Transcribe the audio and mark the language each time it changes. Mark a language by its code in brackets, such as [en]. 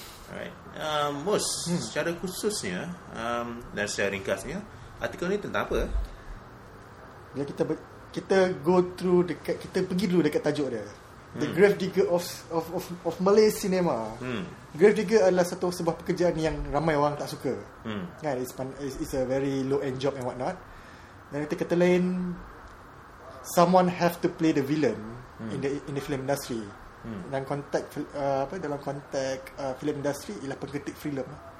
[ms] Alright, Mus, secara khususnya dan secara ringkasnya, artikel ni tentang apa? Bila kita pergi dulu dekat tajuk dia. [en] The Grave Digger of Malay Cinema. [ms] Grave Digger adalah sebuah pekerjaan yang ramai orang tak suka. [en] Kan, it's a very low end job and what not. [ms] Dan kata lain, [en] someone have to play the villain in the film industry. [ms] Dan dalam konteks film industry ialah pengkritik filem.